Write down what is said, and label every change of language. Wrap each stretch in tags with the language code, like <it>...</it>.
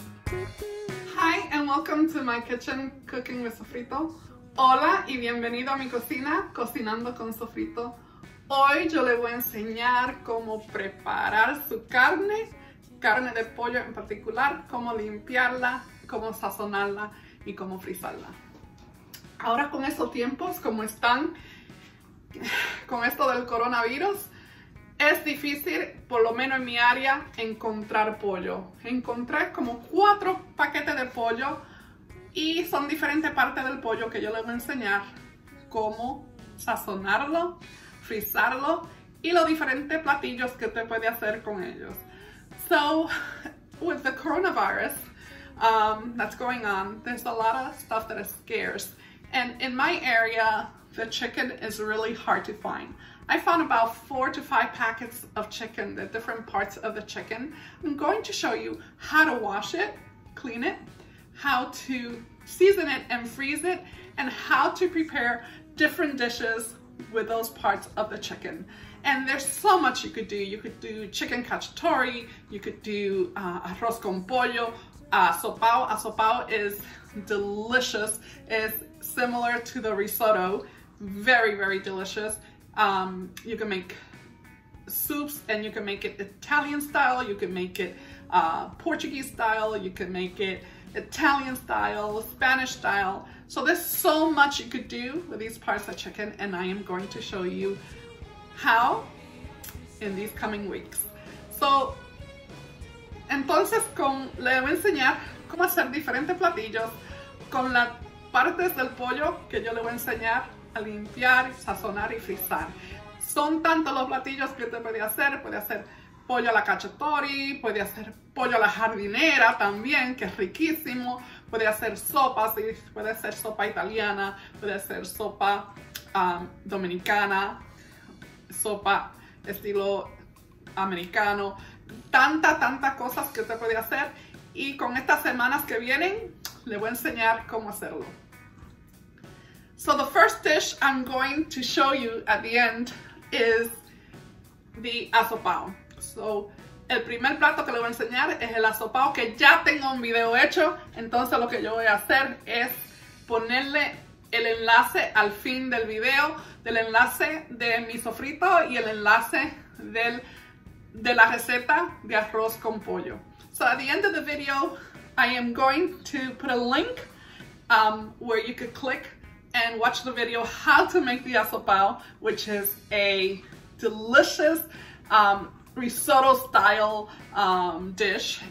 <en>Hi and welcome to my kitchen cooking with Sofrito.</en> <es>Hola y bienvenido a mi cocina, cocinando con Sofrito. Hoy yo le voy a enseñar cómo preparar su carne, carne de pollo en particular, cómo limpiarla, cómo sazonarla y cómo frizarla. Ahora con estos tiempos, como están con esto del coronavirus, es difícil, por lo menos en mi área, encontrar pollo. Encontré como 4 paquetes de pollo y son diferentes partes del pollo que yo les voy a enseñar cómo sazonarlo, frizarlo y los diferentes platillos que usted puede hacer con ellos.</es> <en>So, with the coronavirus that's going on, there's a lot of stuff that is scarce. And in my area, the chicken is really hard to find. I found about 4 to 5 packets of chicken, the different parts of the chicken. I'm going to show you how to wash it, clean it, how to season it and freeze it, and how to prepare different dishes with those parts of the chicken. And there's so much you could do. You could do chicken cacciatore, you could do arroz con pollo, sopao. Sopao is delicious. It's similar to the risotto. Very, very delicious. You can make soups and you can make it Italian style. You can make it Portuguese style. You can make it Italian style, Spanish style. So there's so much you could do with these parts of chicken, and I am going to show you how in these coming weeks.</en> <es>So, entonces le voy a enseñar cómo hacer diferentes platillos con las partes del pollo que yo le voy a enseñar a limpiar, sazonar y frizar. Son tantos los platillos que usted puede hacer pollo a la cacciatore, puede hacer pollo a la jardinera también, que es riquísimo, puede hacer sopa, sí, puede ser sopa italiana, puede ser sopa dominicana, sopa estilo americano, tantas cosas que usted puede hacer. Y con estas semanas que vienen, le voy a enseñar cómo hacerlo.</es> <en>So the first dish I'm going to show you at the end is the asopao.</en> <es>So el primer plato que le voy a enseñar es el asopao, que ya tengo un video hecho. Entonces lo que yo voy a hacer es ponerle el enlace al fin del video, del enlace de mi sofrito y el enlace de la receta de arroz con pollo.</es> <en>So at the end of the video, I am going to put a link where you could click and watch the video how to make the asopao, which is a delicious risotto style dish.</en>